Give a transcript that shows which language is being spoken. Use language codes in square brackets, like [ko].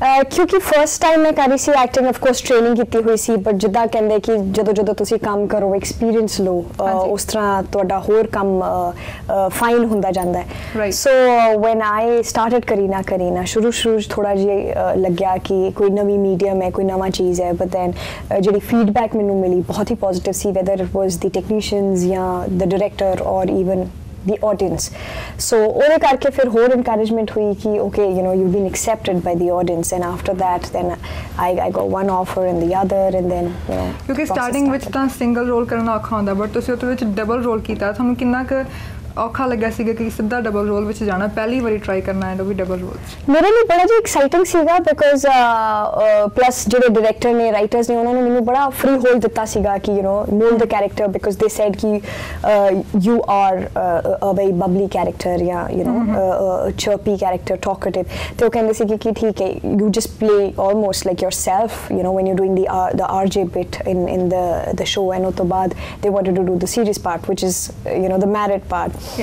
[pa] ਕਿਉਂਕਿ first time ਮੈਂ ਕਰ ਰਹੀ ਸੀ ਐਕਟਿੰਗ, ਆਫਕੋਰਸ ਟ੍ਰੇਨਿੰਗ ਕੀਤੀ ਹੋਈ ਸੀ, ਬਟ ਜਿੱਦਾਂ ਕਹਿੰਦੇ ਕਿ ਜਦੋਂ ਜਦੋਂ ਤੁਸੀਂ ਕੰਮ ਕਰੋ ਐਕਸਪੀਰੀਅੰਸ ਲਓ, ਉਸ ਤਰ੍ਹਾਂ ਤੁਹਾਡਾ ਹੋਰ ਕੰਮ ਫਾਈਨ ਹੁੰਦਾ ਜਾਂਦਾ। So when I started Kareena, ਸ਼ੁਰੂ 'ਚ ਥੋੜ੍ਹਾ ਜਿਹਾ ਲੱਗਿਆ ਕਿ ਕੋਈ ਨਵੀਂ ਮੀਡੀਅਮ ਹੈ, ਕੋਈ ਨਵਾਂ ਚੀਜ਼ ਹੈ, ਬਟ ਦੈਨ ਜਿਹੜੀ ਫੀਡਬੈਕ ਮੈਨੂੰ ਮਿਲੀ ਬਹੁਤ ਹੀ positive ਸੀ, [en] Whether it was the technicians ਜਾਂ the director or even the audience. [pa] So ohde karke fir hor [en] encouragement hui ki okay, you know, you've been accepted by the audience, and after that then I got one offer and the other, and then you know, because starting with [pa] ta single role karna aukha hunda, but tusi ohde vich double role kita, thonu kinna ka ਔਖਾ ਲੱਗਾ ਸੀਗਾ ਕਿ ਸਿੱਧਾ double role ਵਿੱਚ ਜਾਣਾ, ਪਹਿਲੀ ਵਾਰੀ try ਕਰਨਾ ਹੈ ਉਹ ਵੀ ਡਬਲ ਰੋਲ? ਮੇਰੇ ਲਈ ਬੜਾ ਜੀ ਐਕਸਾਈਟਿੰਗ ਸੀਗਾ, [en] because plus [pa] ਜਿਹੜੇ ਡਾਇਰੈਕਟਰ ਨੇ, ਰਾਈਟਰਸ ਨੇ, ਉਹਨਾਂ ਨੇ ਮੈਨੂੰ ਬੜਾ ਫਰੀ ਹੋਲ ਦਿੱਤਾ ਸੀਗਾ ਕਿ [en] you know know the character, because they said ਕਿ you are a very bubbly character, ਜਾਂ you know chirpy character, talkative, [pa] ਅਤੇ ਉਹ ਕਹਿੰਦੇ ਸੀਗੇ ਕਿ ਠੀਕ ਹੈ, [en] You just play almost like yourself, you know when you doing the R J bit in the show, and ਉਹ ਤੋਂ ਬਾਅਦ they wanted to do the series part, which is you know the merit part.